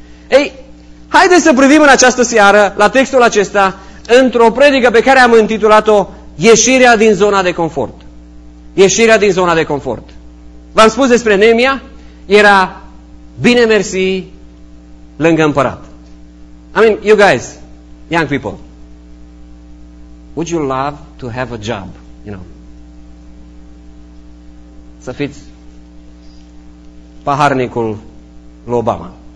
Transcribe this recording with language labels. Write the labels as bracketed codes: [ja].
[ro] Ei, haideți să privim în această seară la textul acesta într-o predică pe care am intitulat-o Ieșirea din zona de confort. Ieșirea din zona de confort. V-am spus despre Neemia, era bine mersi lângă împărat. [en] I mean, you guys, young people, would you love to have a job, you know? [ro] Să fiți paharnicul lui Obama.